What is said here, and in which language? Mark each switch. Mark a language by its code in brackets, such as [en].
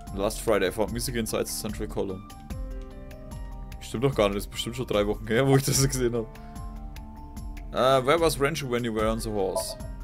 [en] Last Friday I found music inside the central column. [de] Stimmt doch gar nicht, das ist bestimmt schon 3 Wochen her, wo ich das gesehen habe. [en] Where was Renshu when you were on the horse?